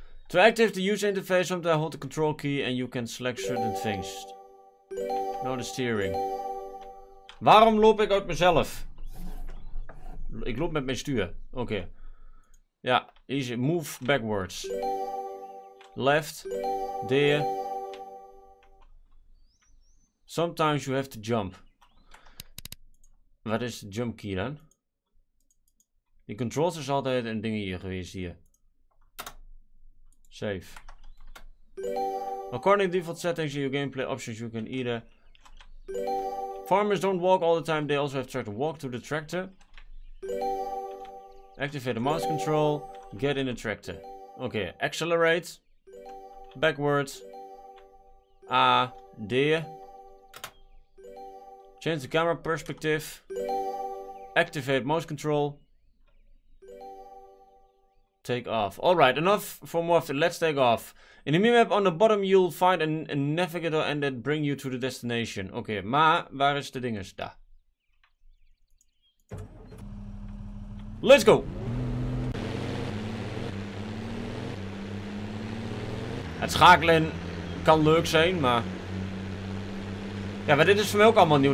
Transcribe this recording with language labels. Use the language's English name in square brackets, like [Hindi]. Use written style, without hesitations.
[English] To activate the user interface, sometimes hold the control key and you can select certain things. Now the steering. [Dutch] Waarom loop ik uit mezelf? Ik loop met mijn stuur. Oké. Okay. Ja, easy. [English] Move backwards. Left. There. Sometimes you have to jump. [Dutch] Wat is de jump key dan? Die controls is altijd een ding hier geweest hier. [English] Save. According to default settings in your gameplay options, you can either... Farmers don't walk all the time, they also have to try to walk to the tractor. Activate the mouse control, get in the tractor. Okay, accelerate. Backwards. A, D. Change the camera perspective. Activate mouse control. Take off. Alright, enough for more of it. Let's take off. In the minimap on the bottom you'll find a navigator and that bring you to the destination. [Dutch] Okay, maar waar is de dinges? Da. [English] Let's go! [Dutch] Het schakelen kan leuk zijn, maar... Ja, maar dit is voor mij ook allemaal nieuw.